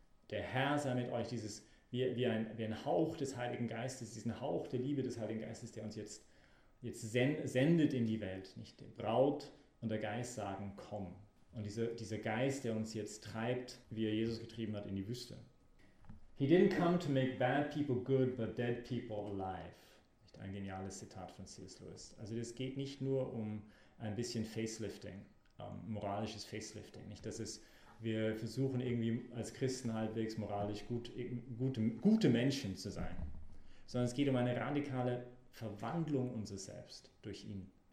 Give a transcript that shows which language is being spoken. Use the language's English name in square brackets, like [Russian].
[German] Der Herr sei mit euch, dieses wie ein Hauch des Heiligen Geistes, diesen Hauch der Liebe des Heiligen Geistes, der uns jetzt sendet in die Welt. Nicht? Die Braut und der Geist sagen, komm. Und dieser Geist, der uns jetzt treibt, wie er Jesus getrieben hat, in die Wüste. [English] He didn't come to make bad people good, but dead people alive. [German] Nicht ein geniales Zitat von C.S. Lewis. Also es geht nicht nur um ein bisschen Facelifting, moralisches Facelifting. Nicht, dass es, wir versuchen irgendwie als Christen halbwegs moralisch gute Menschen zu sein. Sondern es geht um eine radikale Verwandlung unseres Selbst durch ihn.